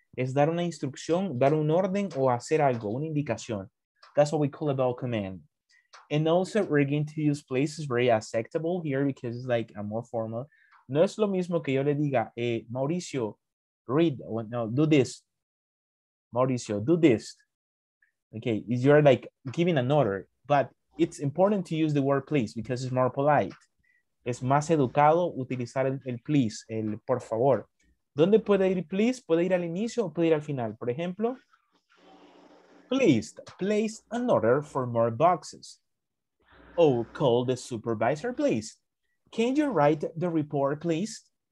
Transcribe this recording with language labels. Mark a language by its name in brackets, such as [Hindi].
[Spanish] Es dar una instrucción, dar un orden o hacer algo, una indicación. [English] That's what we call about command. And also, we're going to use please. It's very acceptable here because it's like a more formal. [Spanish] No es lo mismo que yo le diga, [English] Mauricio, read, no, do this. Mauricio, do this. Okay, you're like giving an order, but it's important to use the word please because it's more polite. [Spanish] Es más educado utilizar el please, el por favor. ¿Dónde puede ir please? ¿Puede ir al inicio o puede ir al final? Por ejemplo, [English] please place an order for more boxes. Oh, call the supervisor, please. Can you write the report, please?